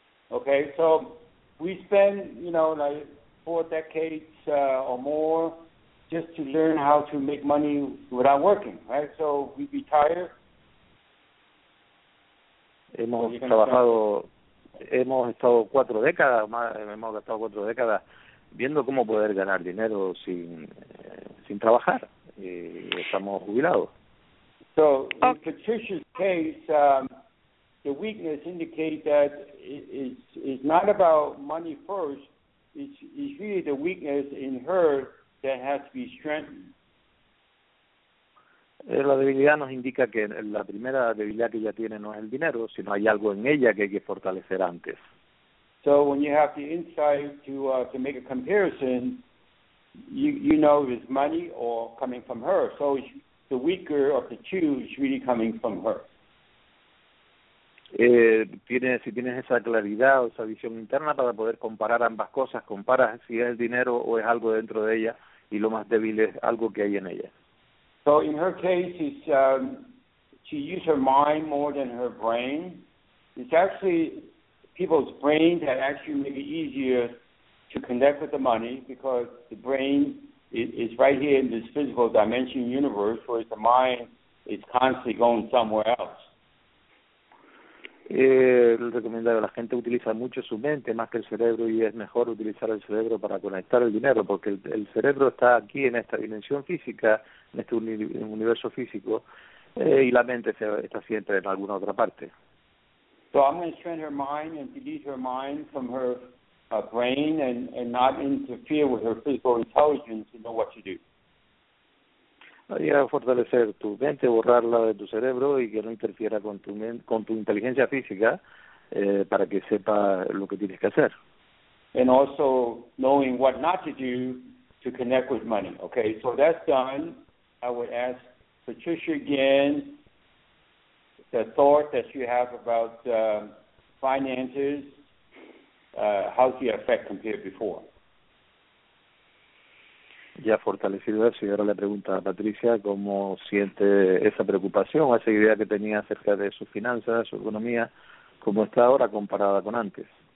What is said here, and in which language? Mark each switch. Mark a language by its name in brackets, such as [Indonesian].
[English] Okay, so we spend, like 4 decades or more just to learn how to make money without working, right? So we retire. [Spanish] Hemos gastado 4 décadas viendo cómo poder ganar dinero sin trabajar. Y estamos jubilados. [English] So, in Patricia's case, the weakness indicates that it's not about money first. It's really the weakness in her that has to be strengthened. [Spanish] La debilidad nos indica que la primera debilidad que ella tiene no es el dinero, sino hay algo en ella que hay que fortalecer antes. [English] So, when you have the insight to make a comparison, you know it's money or coming from her. So the weaker of the two is really coming from her. [Spanish] Si tienes esa claridad o esa visión interna para poder comparar ambas cosas, comparas si es el dinero o es algo dentro de ella y lo más débil es algo que hay en ella. [English] So in her case, it's, she uses her mind more than her brain. It's actually people's brain that actually make it easier to connect with the money, because the brain it's right here in this physical dimension universe, whereas the mind is constantly going somewhere else. [Spanish] Recomiendo que la gente utiliza mucho su mente más que el cerebro, y es mejor utilizar el cerebro para conectar el dinero, porque el cerebro está aquí en esta dimensión física, en este universo físico, y la mente está siempre en alguna otra parte. [English] So I'm going to train her mind and delete her mind from her brain and not interfere with her physical intelligence to know what to do. [Spanish] Y a fortalecer tu mente, borrarla de tu cerebro y que no interfiera con tu inteligencia física, para que sepa lo que tienes que hacer. [English] And also knowing what not to do to connect with money. Okay, so that's done. I would ask Patricia again the thought that you have about finances. How do you affect compared before? [Spanish] Ya fortalecido eso, y ahora le pregunta a Patricia cómo siente esa preocupación, esa idea que tenía acerca de sus finanzas, su economía, cómo está ahora comparada con antes.